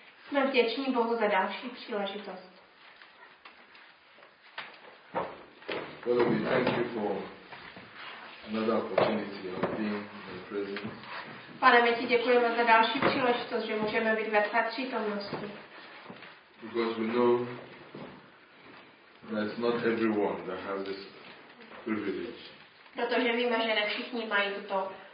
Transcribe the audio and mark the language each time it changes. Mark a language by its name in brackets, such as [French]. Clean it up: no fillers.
[Czech] Мы вдячны Богу за další příležitost. [English] Father, we thank you for another opportunity of being in your presence. [Czech] Pane, my ti děkujeme za další příležitost, že můžeme být ve tvé přítomnosti. [English] Because we know that it's not everyone that has this privilege. [Czech] Protože víme, že ne všichni mají tuto.